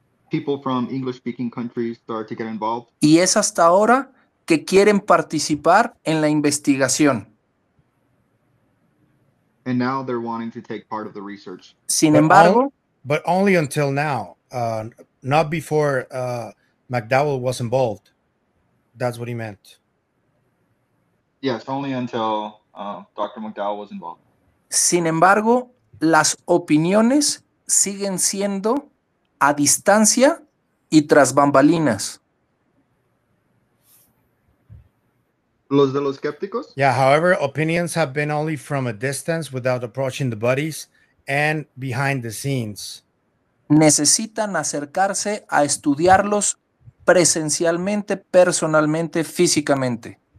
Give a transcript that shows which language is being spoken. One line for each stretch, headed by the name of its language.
English: people from English-speaking countries started to get involved,
Spanish: y es hasta ahora que quieren participar en la investigación.
English: And now they're wanting to take part of the research.
Spanish: Sin embargo,
English: but only until now, not before McDowell was involved. That's what he meant. Yes, only until Dr. McDowell was involved.
Spanish: Sin embargo, las opiniones siguen siendo a distancia y tras bambalinas. ¿Los de los escépticos?
English: Yeah, however, opinions have been only from a distance without approaching the bodies and behind the scenes.
Spanish: Necesitan acercarse a estudiarlos presencialmente, personalmente, físicamente.